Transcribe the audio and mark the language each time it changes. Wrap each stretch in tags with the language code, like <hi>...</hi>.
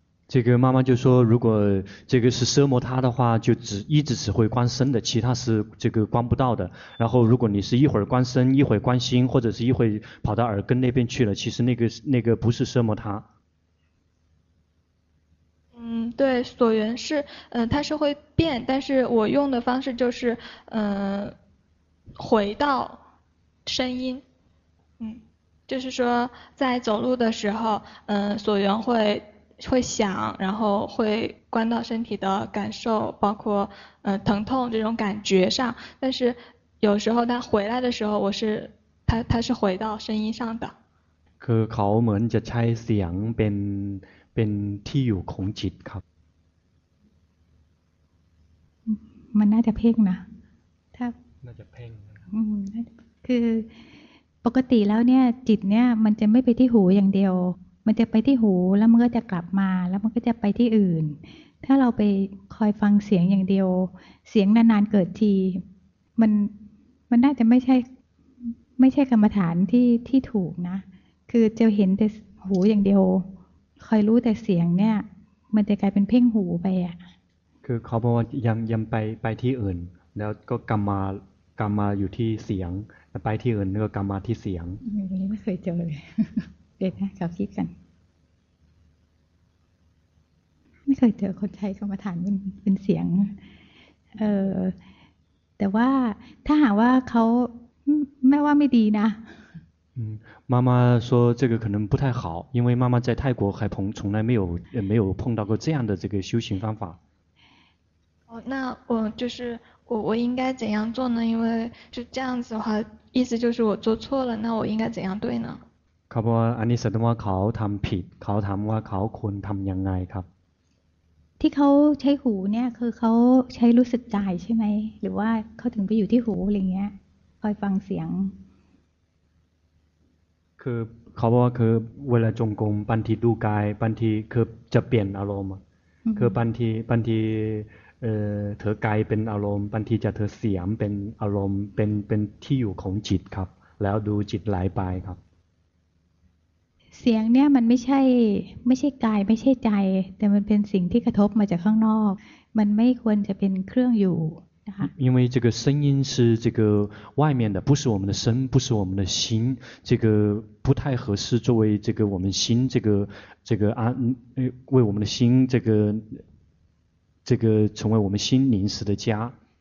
<zh>这个妈妈就说如果这个是奢摩他的话就一直会观身的其他是这个观不到的然后如果你是一会儿观身一会儿观心或者是一会儿跑到耳根那边去了其实那个不是奢摩他对所缘是它是会变但是我用的方式就是回到声音就是说在走路的时候所缘会响然后会关到身体的感受包括疼痛这种感觉上但是有时候他回来的时候我是他是回到声音上的。</zh> <th>คือเขาเหมือนจะใช้เสียงเป็นที่อยู่ของจิตครับ มันน่าจะเพ่งนะถ้า น่าจะเพ่ง คือปกติแล้วเนี่ยจิตเนี่ยมันจะไม่ไปที่หูอย่างเดียวมันจะไปที่หูแล้วมันก็จะกลับมาแล้วมันก็จะไปที่อื่นถ้าเราไปคอยฟังเสียงอย่างเดียวเสียงนานๆเกิดทีมันน่าจะไม่ใช่กรรมฐานที่ถูกนะคือจะเห็นแต่หูอย่างเดียวคอยรู้แต่เสียงเนี่ยมันจะกลายเป็นเพ่งหูไปอ่ะ คือเขาบอกว่ายังไปที่อื่นแล้วก็กลับมาอยู่ที่เสียงแล้วไปที่อื่นก็กลับมาที่เสียง ไม่เคยเจอเลยเดี๋ยวนะขอคิดกันไม่เคยเจอคนใช้กรรมฐานเป็นเสียงแต่ว่าถ้าหากว่าเขาไม่ว่าไม่ดีนะ</th> <zh>妈妈说这个可能不太好，因为妈妈在泰国还从来没有碰到过这样的这个修行方法。哦，那我就是我应该怎样做呢？因为是这样子的话，意思就是我做错了，那我应该怎样对呢？</zh> <th>ครับว่าอันนี้แสดงว่าเขาทำผิดเขาถามว่าเขาควรทำยังไงครับ ที่เขาใช้หูเนี่ยคือเขาใช้รู้สึกกายใช่ไหมหรือว่าเขาถึงไปอยู่ที่หูอะไรเงี้ยคอยฟังเสียง คือเขาบอกว่าคือเวลาจงกรมบางทีดูกายบางทีคือจะเปลี่ยนอารมณ์คือบางทีเธอกายเป็นอารมณ์บางทีจะเธอเสียมเป็นอารมณ์เป็นที่อยู่ของจิตครับแล้วดูจิตไหลไปครับ เสียงเนี่ยมันไม่ใช่กายไม่ใช่ใจแต่มันเป็นสิ่งที่กระทบมาจากข้างนอกมันไม่ควรจะเป็นเครื่องอยู่</th> <zh>因为这个声音是这个外面的，不是我们的身，不是我们的心，这个不太合适作为这个我们心这个安为我们的心这个成为我们心临时的家。</zh>